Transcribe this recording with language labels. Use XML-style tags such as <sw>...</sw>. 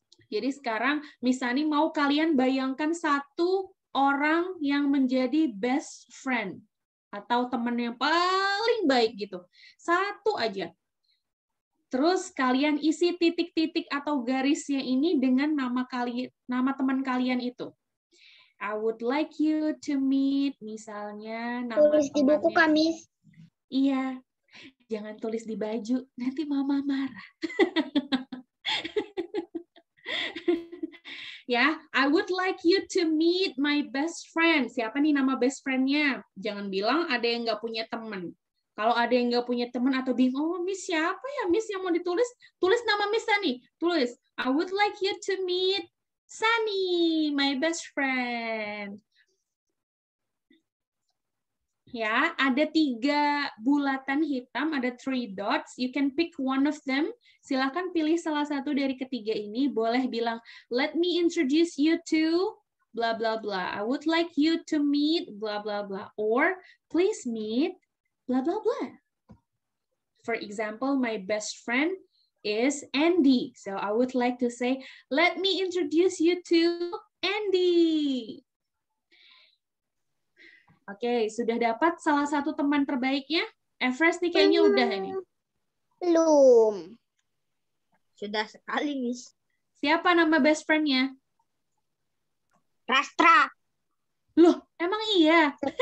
<id>Jadi sekarang, misalnya mau kalian bayangkan satu orang yang menjadi best friend atau teman yang paling baik gitu. Satu aja. Terus kalian isi titik-titik atau garisnya ini dengan nama kalian, nama teman kalian itu.</id> <en>I would like you to meet</en> <id>misalnya nama tulis di buku kami. Iya. Jangan tulis di baju, nanti mama marah.</id> <en>Ya, yeah, I would like you to meet my best friend.</en> <id>Siapa nih nama best friend-nya? Jangan bilang ada yang nggak punya teman. Kalau ada yang nggak punya teman atau bingung, oh, Miss siapa ya? Miss yang mau ditulis? Tulis nama Miss Sunny.</id> <en>Tulis, I would like you to meet Sunny, my best friend.</en> <id>Ya, yeah, ada tiga bulatan hitam, ada</id> <en>three dots. You can pick one of them.</en> <id>Silakan pilih salah satu dari ketiga ini. Boleh bilang,</id> <en>let me introduce you to blah, blah, blah. I would like you to meet blah, blah, blah. Or, please meet blah, blah, blah. For example, my best friend is Andy. So, I would like to say, let me introduce you to Andy.</en> <id>Oke, sudah dapat salah satu teman terbaiknya? Everest nih kayaknya udah ini. Belum. Sudah sekali, Miss. Siapa nama best friend-nya? Rastra. Loh, emang iya?</id>